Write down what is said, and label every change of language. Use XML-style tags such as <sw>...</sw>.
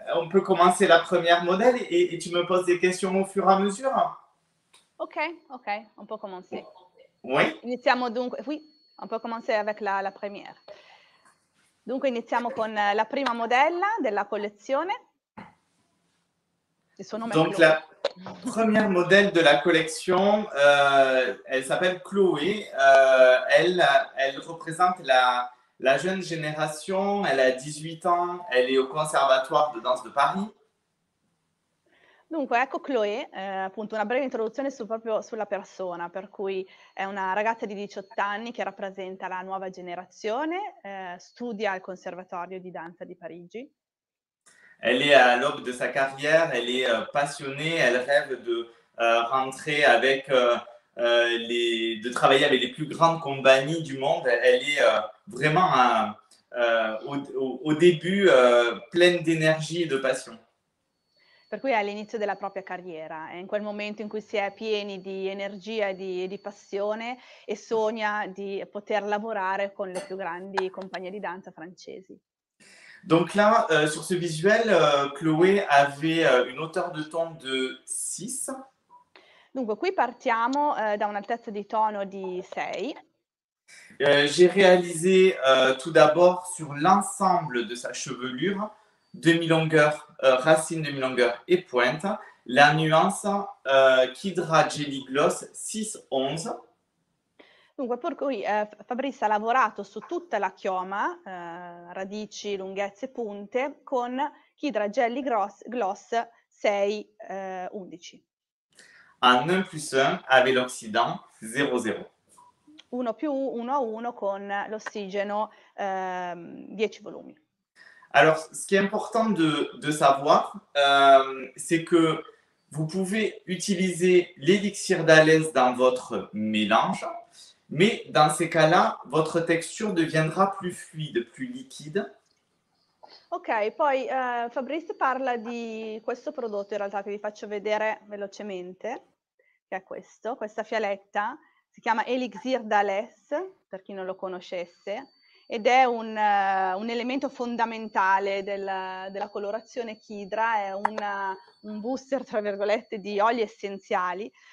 <fr>On peut commencer la première modèle et tu me poses des questions au fur et à mesure. Ok, on peut commencer. Oui.</fr> <it>Iniziamo dunque,</it> <fr>oui, on peut commencer avec la première.</fr> <it>Dunque, iniziamo con la prima modella della collezione. Il suo nome è</it> <fr>Donc</fr> <it>Chloé.</it> <fr>la première modèle de la collection, elle s'appelle Chloé. Elle représente la jeune génération, elle a 18 ans, elle est au Conservatoire de danse de Paris.</fr> <it>Dunque, ecco Chloé, appunto una breve introduzione proprio sulla persona, per cui è una ragazza di 18 anni che rappresenta la nuova generazione, studia al Conservatorio di Danza di Parigi.</it> <fr>Elle est à l'aube de sa carrière, elle est passionnée, elle rêve de rentrer avec de travailler avec les plus grandes compagnies du monde. Elle est vraiment au début pleine d'énergie et de passion.</fr> <it>per cui è all'inizio della propria carriera, è in quel momento in cui si è pieni di energia e di passione e sogna di poter lavorare con le più grandi compagnie di danza francesi.</it> <fr>Donc là, sur ce visuel, Chloé avait une hauteur de ton de 6.</fr> <it>Dunque, qui partiamo da un'altezza di tono di 6.</it> <fr>J'ai réalisé tout d'abord sur l'ensemble de sa chevelure, demi-longueur, racine, demi-longueur et pointe, la nuance Kidra Jelly Gloss 6-11.</fr> <it>Dunque, per cui Fabrice ha lavorato su tutta la chioma, radici, lunghezze, punte, con Kidra Jelly Gloss 6-11.</it> <fr>En 1 plus 1 avec l'oxydant 0-0.</fr> <it>1 più 1 a 1 con l'ossigeno 10 volumi.</it> <fr>Alors, ce qui est important de savoir, c'est que vous pouvez utiliser l'élixir d'Alès dans votre mélange, mais dans ces cas-là, votre texture deviendra plus fluide, plus liquide.</fr> <it>Ok, poi Fabrice parla di questo prodotto, in realtà, che vi faccio vedere velocemente, che è questo, questa fialetta. Si chiama Elixir d'Alès, per chi non lo conoscesse, ed è un elemento fondamentale della colorazione Kidra, è un booster, tra virgolette, di oli essenziali.</it>